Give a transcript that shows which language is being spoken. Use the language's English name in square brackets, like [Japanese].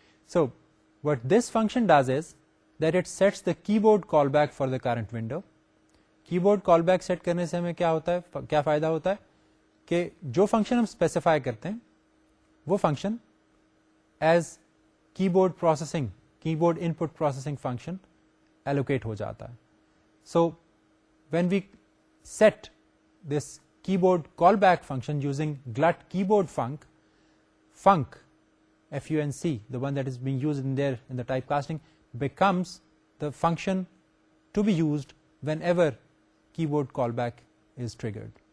[English] So what this function does is that it sets the keyboard callback for the current window. [Urdu] Keyboard callback set کرنے سے ہمیں کیا ہوتا ہے, کیا فائدہ ہوتا ہے کہ جو فنکشن ہم اسپیسیفائی کرتے ہیں وہ فنکشن ایز کی board processing keyboard input processing function allocate ho jata hai. [English] So when we set this keyboard callback function using glut keyboard func F-U-N-C, the one that is being used in there in the typecasting, becomes the function to be used whenever keyboard callback is triggered.